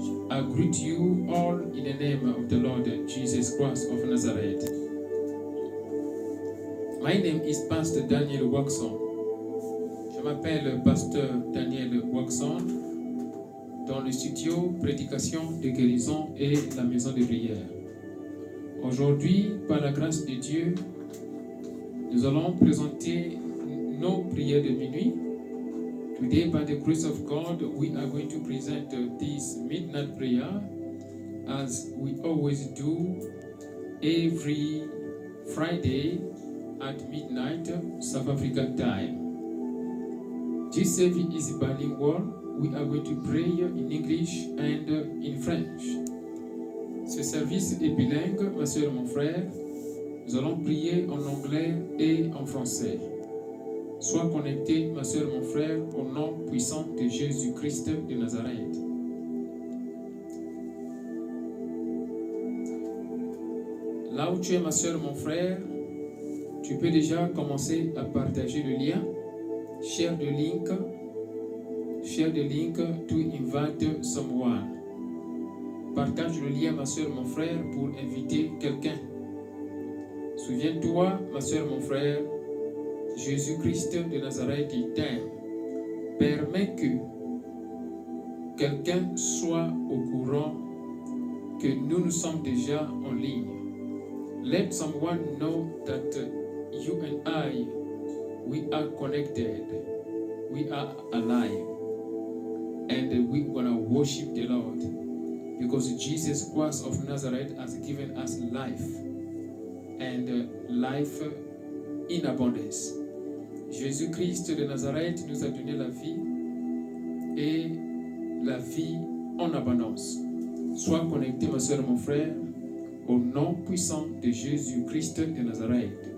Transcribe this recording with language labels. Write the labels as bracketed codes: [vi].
[en] I greet you all in the name of the Lord Jesus Christ of Nazareth. My name is Pastor Daniel Waxon. [fr] Je m'appelle Pasteur Daniel Waxon dans le studio Prédication de Guérison et la Maison de Prière. Aujourd'hui, par la grâce de Dieu, nous allons présenter nos prières de minuit. [en] Today, by the grace of God, we are going to present this midnight prayer as we always do every Friday at midnight, South African time. This service is bilingual. We are going to pray in English and in French. [fr] Ce service est bilingue, ma soeur et mon frère. Nous allons prier en anglais et en français. Sois connecté, ma soeur, mon frère, au nom puissant de Jésus-Christ de Nazareth. Là où tu es, ma soeur, mon frère, tu peux déjà commencer à partager le lien. [en] Share the link to invite someone. [fr] Partage le lien, ma soeur, mon frère, pour inviter quelqu'un. Souviens-toi, ma soeur, mon frère, Jésus-Christ de Nazareth t'aime. Permet que quelqu'un soit au courant que nous nous sommes déjà en ligne. [en] Let someone know that you and I, we are connected, we are alive, and we gonna worship the Lord because Jesus Christ of Nazareth has given us life and life in abundance. [fr] Jésus-Christ de Nazareth nous a donné la vie et la vie en abondance. Sois connecté, ma soeur et mon frère, au nom puissant de Jésus-Christ de Nazareth.